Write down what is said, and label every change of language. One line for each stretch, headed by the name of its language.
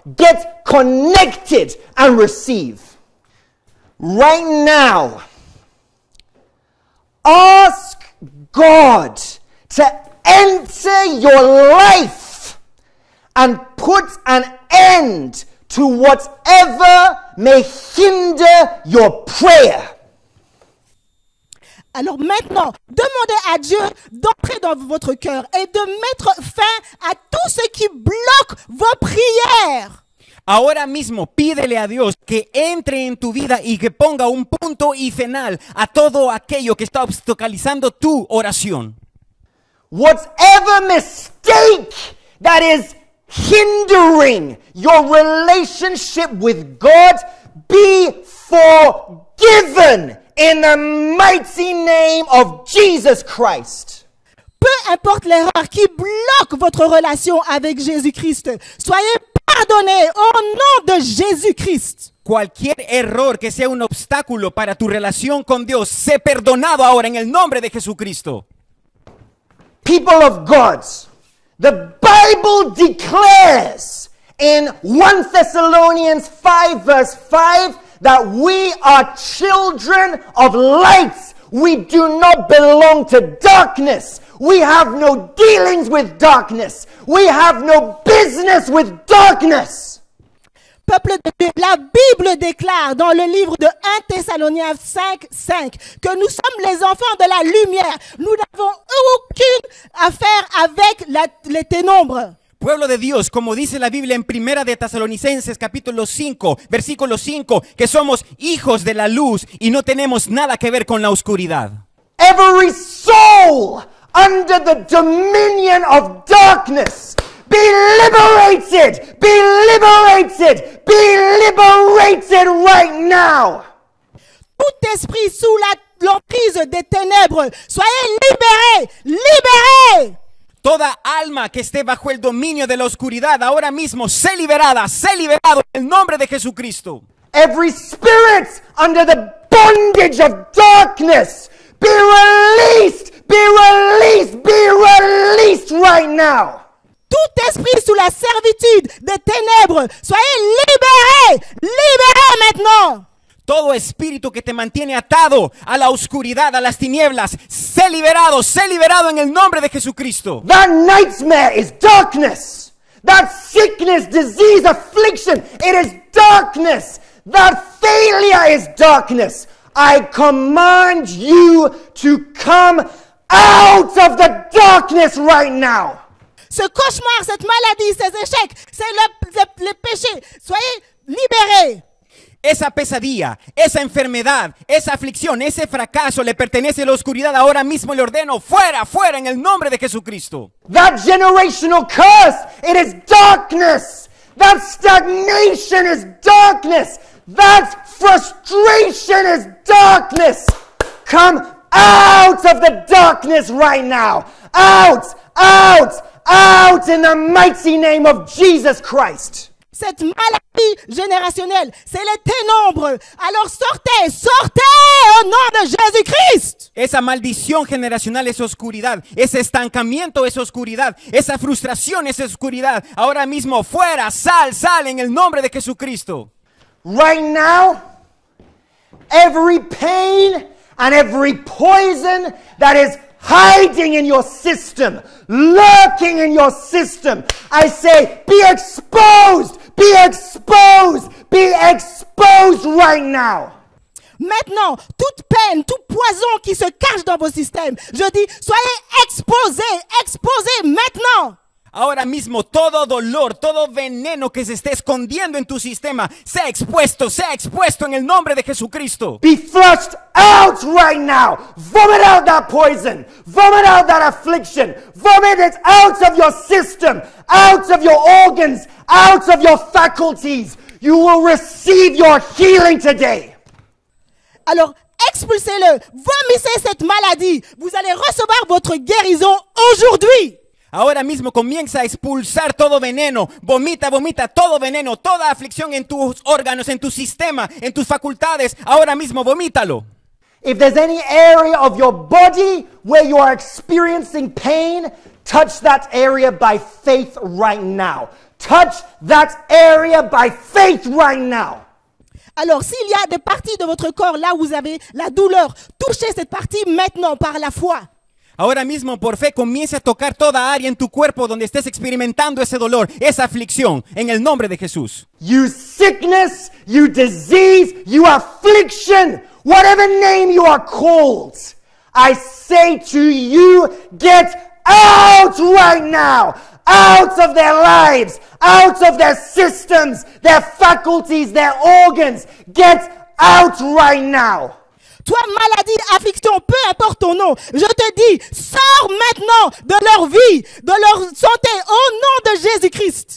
English: Get connected and receive. Right now, ask God to enter your life and put an end to whatever may hinder your prayer.
French: Alors maintenant, demandez à Dieu d'entrer dans votre cœur et de mettre fin à tout ce qui bloque vos prières.
Spanish: Ahora mismo, pídele a Dios que entre en tu vida y que ponga un punto y final a todo aquello que está obstaculizando tu oración.
English: Whatever mistake that is hindering your relationship with God, be forgiven in the mighty name of Jesus Christ.
French: Peu importe l'erreur qui bloque votre relation avec Jésus-Christ, soyez pardonné au nom de Jésus-Christ.
Spanish: Cualquier error que sea un obstáculo para tu relación con Dios, sé perdonado ahora en el nombre de Jesucristo.
English: People of God, the Bible declares in 1 Thessalonians 5 verse 5 that we are children of light. We do not belong to darkness. We have no dealings with darkness. We have no business with darkness.
French: Peuple de Dieu, la Bible déclare dans le livre de 1 Thessaloniens 5, 5 que nous sommes les enfants de la lumière. Nous n'avons aucune affaire avec les ténombres.
Spanish: Pueblo de Dios, como dice la Biblia en 1 de Tesalonicenses capítulo 5, versículo 5, que somos hijos de la luz y no tenemos nada que ver con la oscuridad.
English: Every soul under the dominion of darkness, be liberated, be liberated, be liberated right now.
French: Tout esprit sous l'emprise des ténèbres, soyez libérés, libérés.
Spanish: Toda alma que esté bajo el dominio de la oscuridad, ahora mismo, sé liberado en el nombre de Jesucristo.
English: Every spirit under the bondage of darkness, be released, be released, be released right now.
French: Tout esprit sous la servitude des ténèbres, soyez libérés, libérés maintenant.
Spanish: Todo espíritu que te mantiene atado a la oscuridad, a las tinieblas, sé liberado en el nombre de Jesucristo.
English: That nightmare is darkness. That sickness, disease, affliction, it is darkness. That failure is darkness. I command you to come out of the darkness right now.
French: Ce cauchemar, cette maladie, ces échecs, c'est le péché. Soyez libérés.
Spanish: esa pesadilla, esa enfermedad, esa aflicción, ese fracaso le pertenece a la oscuridad, ahora mismo le ordeno, fuera, fuera, en el nombre de Jesucristo.
English: That generational curse, it is darkness. That stagnation is darkness. That frustration is darkness. Come out of the darkness right now. Out, out, out in the mighty name of Jesus Christ.
French: Cette maladie générationnelle, c'est les ténombres. Alors sortez, sortez au nom de Jésus-Christ.
Spanish: Esa maldición generacional es oscuridad. Ese estancamiento es oscuridad. Esa frustración es oscuridad. Ahora mismo, fuera, sal, sal, en el nombre de Jesucristo.
English: Right now, every pain and every poison that is hiding in your system, lurking in your system, I say, be exposed! Be exposed! Be exposed right now!
French: Maintenant, toute peine, tout poison qui se cache dans vos systèmes, je dis, soyez exposés! Exposés maintenant!
Spanish: Ahora mismo, todo dolor, todo veneno que se esté escondiendo en tu sistema, sea expuesto en el nombre de Jesucristo.
English: Be flushed out right now. Vomit out that poison. Vomit out that affliction. Vomit it out of your system, out of your organs, out of your faculties. You will receive your healing today.
French: Alors, expulsez-le. Vomissez cette maladie. Vous allez recevoir votre guérison aujourd'hui.
Spanish: Ahora mismo comienza a expulsar todo veneno, vomita, vomita todo veneno, toda aflicción en tus órganos, en tu sistema, en tus facultades. Ahora mismo vomítalo.
English: If there's any area of your body where you are experiencing pain, touch that area by faith right now. Touch that area by faith right now.
French: Alors, s'il y a des parties de votre corps là où vous avez la douleur, touchez cette partie maintenant par la foi.
Spanish: Ahora mismo, por fe, comience a tocar toda área en tu cuerpo donde estés experimentando ese dolor, esa aflicción, en el nombre de Jesús.
English: You sickness, you disease, you affliction, whatever name you are called, I say to you, get out right now, out of their lives, out of their systems, their faculties, their organs, get out right now.
French: Toi, maladie, affliction, peu importe ton nom, je te dis, sors maintenant de leur vie, de leur santé, au nom de Jésus-Christ.